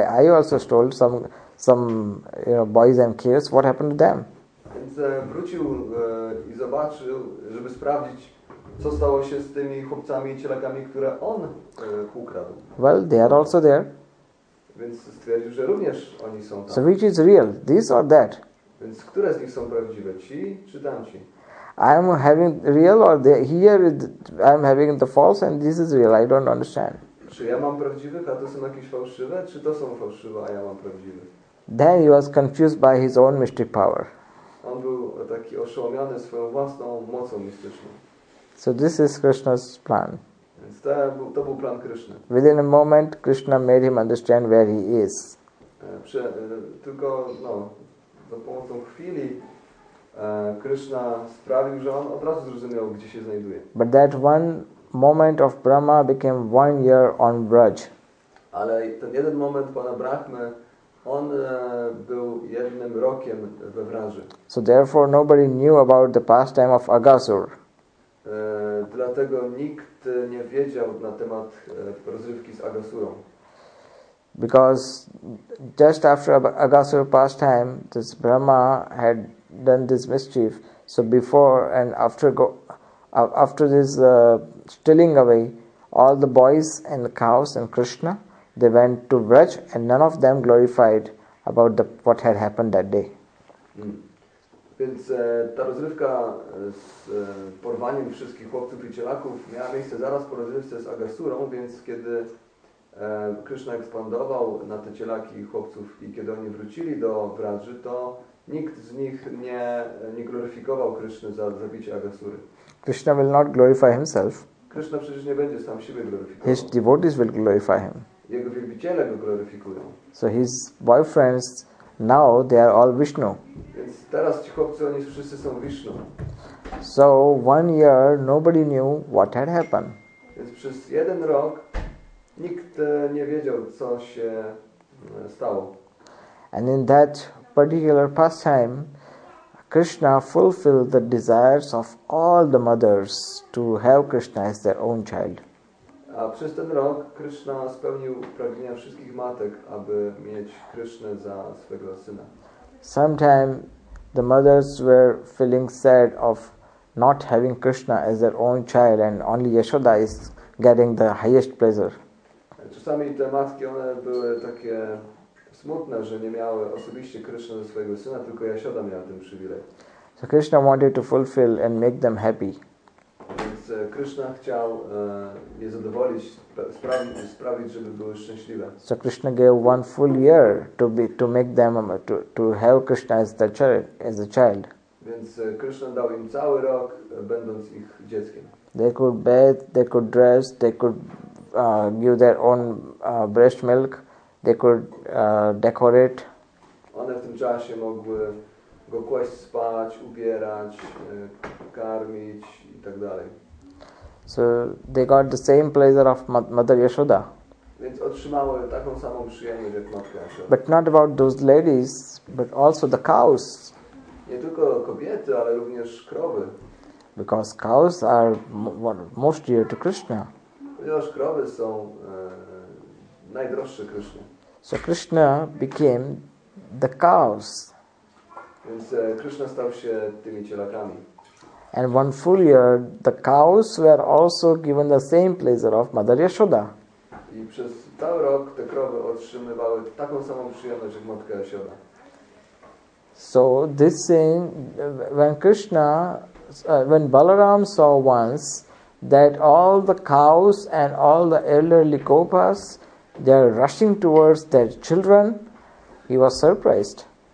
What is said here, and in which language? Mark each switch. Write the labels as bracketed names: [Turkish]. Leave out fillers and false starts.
[English] I also stole some, you know, boys and kids. What happened to them? [Polish] Więc wrócił i zobaczył, żeby sprawdzić, co stało się z tymi chłopcami i cielakami, które on ukradł. [English] Well, they are also there. [Polish] Więc stwierdził, że również oni są tam. [English] So which is real, this or that? [Polish] Więc które z nich są prawdziwe, ci czy tamci? [English] I'm having real or here I'm having the false and this is real. I don't understand. [Polish] Czy ja mam prawdziwych, a to są jakieś fałszywe? Czy to są fałszywe, a ja mam prawdziwe? [English] Then he was confused by his own mystic power. [Polish] On był taki oszołomiony swoją własną mocą mistyczną. [English] So this is Krishna's plan. [Polish] To był plan Krishna. [English] Within a moment, Krishna made him understand where he is. [Polish] Tylko no, za pomocą chwili Krishna sprawił, że on od razu zrozumiał, gdzie się znajduje. [English] But that one moment of Brahma became 1 year on Braj. [Polish] Ale ten jeden moment pana Brahmy, on był jednym rokiem we Wraży. [English] So therefore nobody knew about the pastime of Agasur. [Polish] Dlatego nikt nie wiedział na temat rozrywki z Agasurą. [English] Because just after Agasur pastime, this Brahma had done this mischief. So before and after after this stealing away, all the boys and the cows and Krishna, they went to Braj, and none of them glorified about the what had happened that day. [Polish] Więc ta rozrywka z porwaniem wszystkich chłopców i cielaków miała miejsce zaraz po rozrywce z Agasurą, więc kiedy Krishna ekspandował na te cielaki i chłopców i kiedy oni wrócili do Braży, to nikt z nich nie gloryfikował Krishny za zabicie Agasury. [English] Krishna will not glorify himself. [Polish] Krishna przecież nie będzie sam siebie glorifikował. [English] His devotees will glorify him. [Polish] Jego wielbiciele go gloryfikują. [English] So his boyfriends, now they are all Vishnu. [Polish] Więc teraz ci chłopcy, oni wszyscy są Vishnu. [English] So 1 year nobody knew what had happened. [Polish] Więc przez jeden rok nikt nie wiedział, co się stało. [English] And in that particular pastime, Krishna fulfilled the desires of all the mothers to have Krishna as their own child. [Polish] A przez ten rok Krishna spełnił pragnienia wszystkich matek, aby mieć Krishnę za swego syna. [English] Sometimes the mothers were feeling sad of not having Krishna as their own child and only Yashoda is getting the highest pleasure. [Polish] Czasami te matki, one były takie smutne, że nie miały osobiście Krishna za swojego syna, tylko Yashoda miała ten przywilej. [English] So Krishna wanted to fulfill and make them happy. [Polish] Więc Krishna chciał je zadowolić, sprawić, żeby były szczęśliwe. [English] So Krishna gave one full year to make them have Krishna as the child. [Polish] Więc Krishna dał im cały rok, będąc ich dzieckiem. [English] They could bathe, they could dress, they could give their own breast milk, they could decorate. [Polish] One w tym czasie mogły go kłaść spać, ubierać, karmić i tak dalej. [English] So they got the same pleasure of Mother Yashoda. [Polish] Więc otrzymały taką samą przyjemność jak Matka Yashoda. [English] But not about those ladies, but also the cows. [Polish] Nie tylko kobiety, ale również krowy. [English] Because cows are most dear to Krishna. [Polish] Ponieważ krowy są najdroższe Krishna. [English] So Krishna became the cows. [Polish] Więc Krishna stał się tymi cielakami. [English] And one full year, the cows were also given the same pleasure of Mother Yashoda. [Polish] I przez cały rok te krowy otrzymywały taką samą przyjemność jak Matka Yashoda. [English] So this thing, when Krishna, when Balaram saw once that all the cows and all the elderly gopas, they are rushing towards their children, he was surprised.